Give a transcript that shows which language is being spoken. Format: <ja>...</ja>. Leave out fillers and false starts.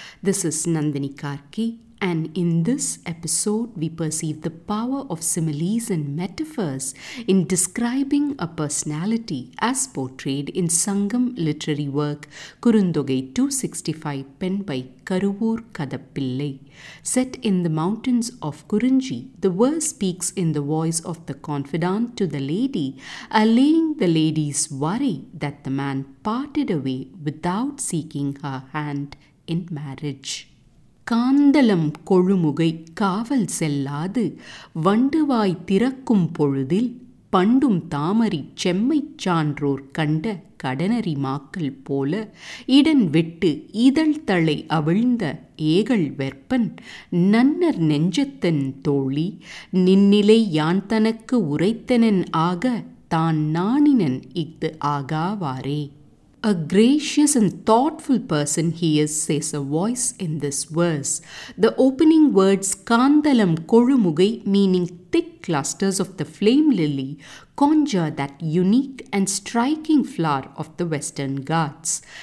<en>This is Nandini Karki, and in this episode we perceive the power of similes and metaphors in describing a personality as portrayed in Sangam literary work Kurundogai 265, penned by Karuvoor Kadapillai. Set in the mountains of Kurunji, the verse speaks in the voice of the confidant to the lady, allaying the lady's worry that the man parted away without seeking her hand in marriage.</en> <ta>காந்தளம் கொழுமுகை காவல் செல்லாது வண்டுவாய் திறக்கும் பொழுதில் பண்டும் தாமரி செம்மை சான்றோர் கண்ட கடனரி மாக்கள் போல இடன் விட்டு இதழ் தலை அவிழ்ந்த ஏகல் வெற்பன் நன்னர் நெஞ்சத்தன் தோழி நின்னிலை யான் தனக்கு உரைத்தனன் ஆக தான் நாணினன் இஃது ஆகாவாரே.</ta> <en>A gracious and thoughtful person he is, says a voice in this verse. The opening words Kandalam Kolumugai, meaning thick clusters of the flame lily, conjure that unique and striking flower of the Western Ghats.</en>